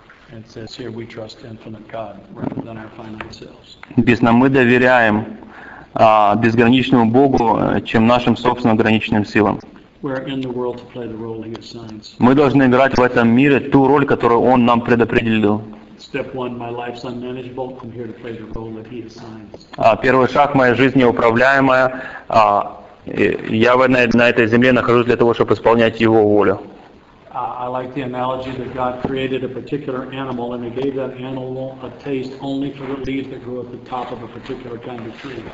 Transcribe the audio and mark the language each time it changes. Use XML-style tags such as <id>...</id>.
<ru>Написано, мы доверяем безграничному Богу, чем нашим собственным ограниченным силам. Мы должны играть в этом мире ту роль, которую Он нам предопределил.</ru> <en>Step one, my life's unmanageable. I'm here to play the role that He assigns.</en> <ru>Первый шаг, моя жизнь неуправляемая. Я на этой земле нахожусь для того, чтобы исполнять Его волю.</ru> <en>I like the analogy that God created a particular animal and He gave that animal a taste only for the leaves that grew at the top of a particular kind of tree.</en>